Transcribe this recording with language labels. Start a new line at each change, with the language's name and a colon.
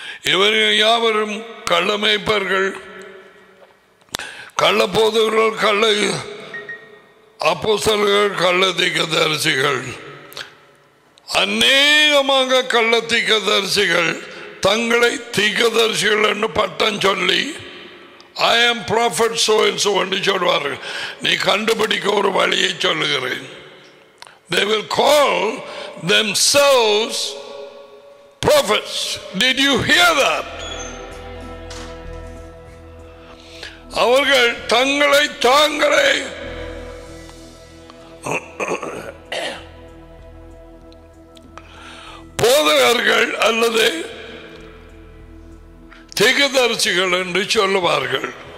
Tamil: இவர்கள் யாவரும் கள்ள மேய்ப்பர்கள், கள்ள போதகர்கள், கள்ள அப்போஸ்தலர்கள், கள்ள தீர்க்கதரிசிகள், அநேகமாக கள்ள தீர்க்கதரிசிகள் தங்களை தீர்க்கதரிசிகள் என்று பட்டம் சொல்லி
English: I am prophet so and so
Tamil: என்று சொல்வார்கள். நீ கண்டுபிடிக்க ஒரு வழியை சொல்லுகிறேன்.
English: They will call themselves prophets. Did you hear that?
Tamil: அவர்கள் தங்களை தாங்களே போதகர்கள் அல்லது தீர்க்கதரிசிகள் என்று சொல்லுவார்கள்.